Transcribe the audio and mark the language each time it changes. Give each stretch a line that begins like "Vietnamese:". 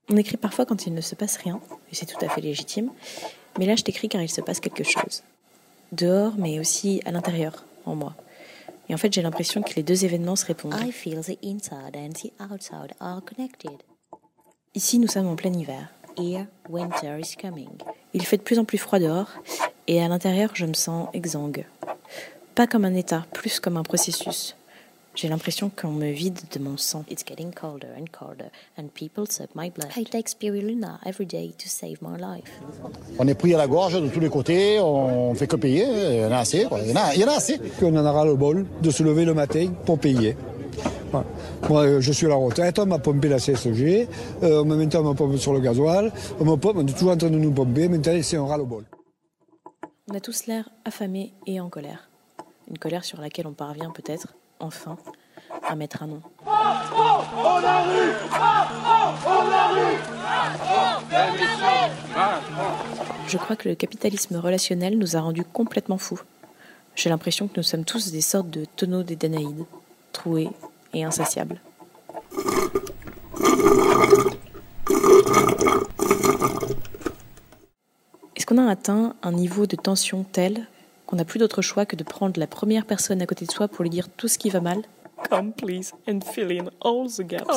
French: On écrit parfois quand il ne se passe rien, et c'est tout à fait légitime, mais là je t'écris car il se passe quelque chose. Dehors, mais aussi à l'intérieur, en moi. Et en fait, j'ai l'impression que les deux événements se répondent.
English: I feel the inside and the outside are connected.
French: Ici, nous sommes en plein hiver.
English: Here, winter is coming.
French: Il fait de plus en plus froid dehors, et à l'intérieur, je me sens exsangue. Pas comme un état, plus comme un processus. J'ai l'impression qu'on me vide de mon sang.
English: It's getting colder and colder, and people suck my blood. I take spirulina every day to save my life.
French: On est pris à la gorge de tous les côtés, on fait que payer, il y en a assez, quoi. Il y en a assez. On en aura le bol de se lever le matin pour payer. Ouais. Moi, je suis à la retraite, on m'a pompé la CSG, maintenant on me pompe sur le gasoil, on est toujours en train de nous pomper, maintenant c'est un ras-le-bol. On a tous l'air affamés et en colère. Une colère sur laquelle on parvient peut-être, enfin, à mettre un nom. Je crois que le capitalisme relationnel nous a rendus complètement fous. J'ai l'impression que nous sommes tous des sortes de tonneaux des Danaïdes, troués et insatiables. Est-ce qu'on a atteint un niveau de tension tel qu'on n'a plus d'autre choix que de prendre la première personne à côté de soi pour lui dire tout ce qui va mal?
English: Come please and fill in all the gaps